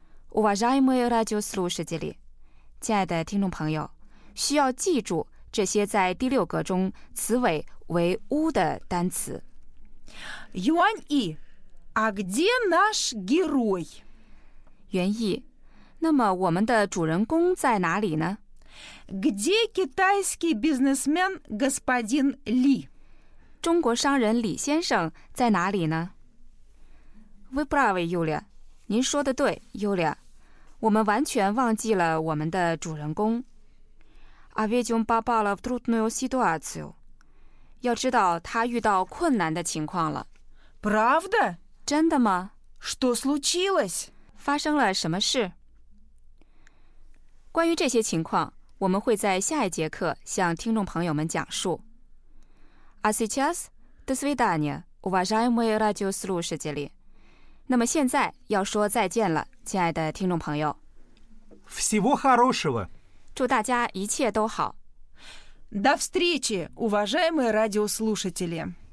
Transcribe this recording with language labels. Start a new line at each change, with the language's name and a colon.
Russian: Уважаемые радиослушатели,
Chinese: 亲爱的听众朋友, 需要记住这些在第六格中词尾为乌的单词。
Russian: Юань И, а где наш герой?
Chinese: 袁毅, 那么我们的主人公在哪里呢?
Russian: Где китайский бизнесмен господин Ли?
Chinese: 中国商人李先生在哪里呢?
Russian: Вы правы, Юля.
Chinese: 您说的对,
Russian: Юля.
Chinese: 我们完全忘记了我们的主人公。
Russian: А ведь он попал в трудную ситуацию.
Chinese: 要知道他遇到困难的情况了。
Russian: Правда?
Chinese: 真的吗?
Russian: Что случилось?
Chinese: 发生了什么事? 关于这些情况, 我们会在下一节课向听众朋友们讲述。
Russian: А сейчас, до свидания, уважаемые радиослушатели.
Chinese: 那么现在要说再见了,亲爱的听众朋友。
Russian: Всего хорошего!
Chinese: 祝大家一切都好。
Russian: До встречи, уважаемые радиослушатели.